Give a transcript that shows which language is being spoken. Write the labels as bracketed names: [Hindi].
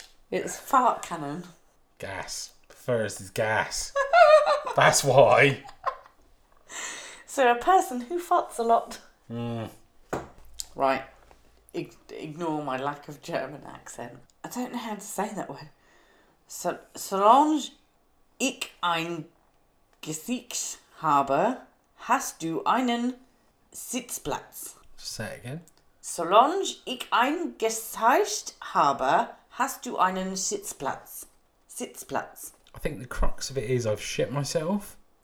[English] It's fart cannon. Gas. Furz is gas. That's why. So a person who farts a lot. Mm. Right. Ignore my lack of German accent. I don't know how to say that word. [German] Solange ich ein Gesicht habe, hast du einen Sitzplatz. [English] Say it again. [German] Solange ich ein Gesicht habe, hast du einen Sitzplatz. Sitzplatz. [English] I think the crux of it is I've shit myself.